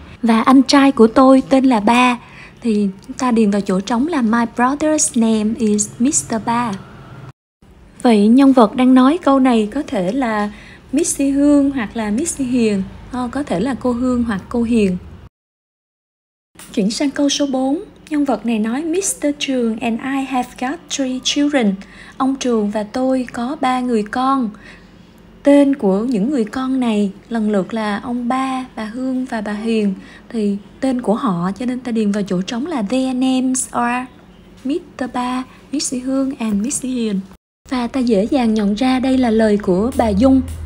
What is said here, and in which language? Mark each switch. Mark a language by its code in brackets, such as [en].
[vi] Và anh trai của tôi tên là Ba, thì ta điền vào chỗ trống là [en] My brother's name is Mr. Ba. [vi] Vậy nhân vật đang nói câu này có thể là Missy Hương hoặc là Missy Hiền, có thể là cô Hương hoặc cô Hiền. Chuyển sang câu số 4, nhân vật này nói Mr. [en] Trường and I have got 3 children. [vi] Ông Trường và tôi có 3 người con. Tên của những người con này lần lượt là ông Ba, bà Hương và bà Hiền. Thì tên của họ, cho nên ta điền vào chỗ trống là [en] their names are Mr. Ba, Missy Hương and Missy Hiền. [vi] Và ta dễ dàng nhận ra đây là lời của bà Dung.